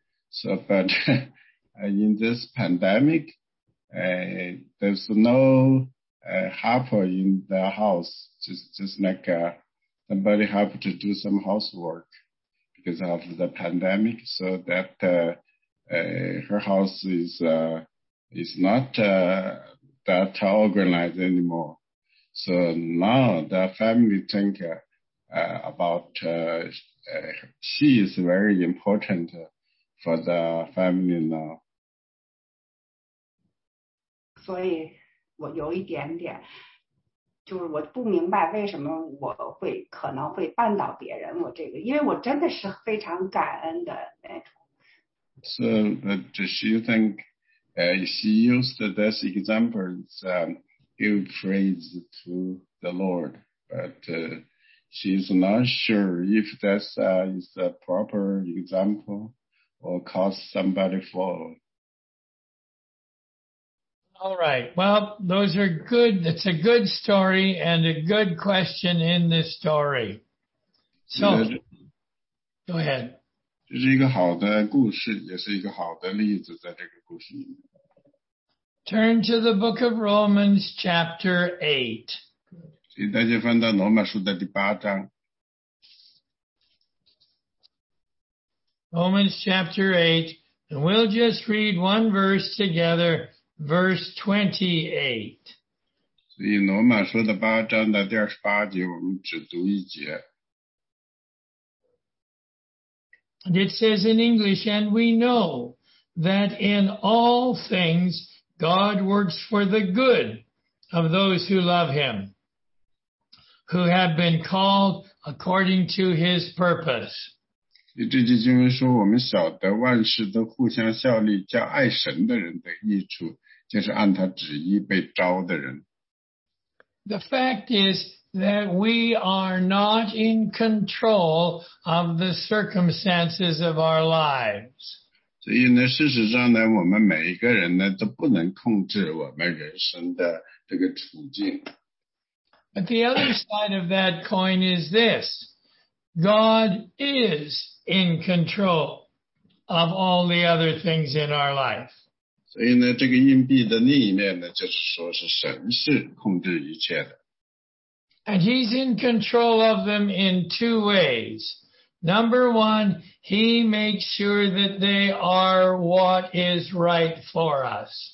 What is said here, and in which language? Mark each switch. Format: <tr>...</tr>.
<en>So, but in this pandemic, there's no helper in the house, just like somebody have to do some housework because of the pandemic, so that her house is not that organized anymore. So now the family think about she is very important for the family now. So,</en> <zh>我有一点点，就是我不明白为什么我会可能会绊倒别人。我这个，因为我真的是非常感恩的那种。</zh> <en>So, but does you think, she used this example to give praise to the Lord, but she's not sure if that is a proper example or cause somebody fall. All right. Well, those are good. It's a good story and a good question in this story. So, go ahead.</en> <zh>这是一个好的故事，也是一个好的例子，在这个故事里面。</zh> <en>Turn to the book of Romans, chapter 8.</en> <zh>所以大家翻到罗马书的第八章。</zh> <en>Romans chapter 8, and we'll just read one verse together, verse 28.</en> <zh>所以罗马书的八章的第二十八节，我们只读一节。</zh> <en>And it says in English, and we know that in all things God works for the good of those who love him, who have been called according to his purpose.</en> <zh>这节经文说我们晓得万事都互相效力，叫爱神的人得益处，就是按他旨意被招的人。</zh> <en>The fact is that we are not in control of the circumstances of our lives.</en> <zh>所以呢，事实上呢，我们每一个人呢，都不能控制我们人生的这个处境。</zh> <en>But the other side of that coin is this. God is in control of all the other things in our life.</en> <zh>所以呢，这个硬币的另一面呢，就是说是神是控制一切的。</zh> <en>And he's in control of them in two ways. Number one, he makes sure that they are what is right for us.</en>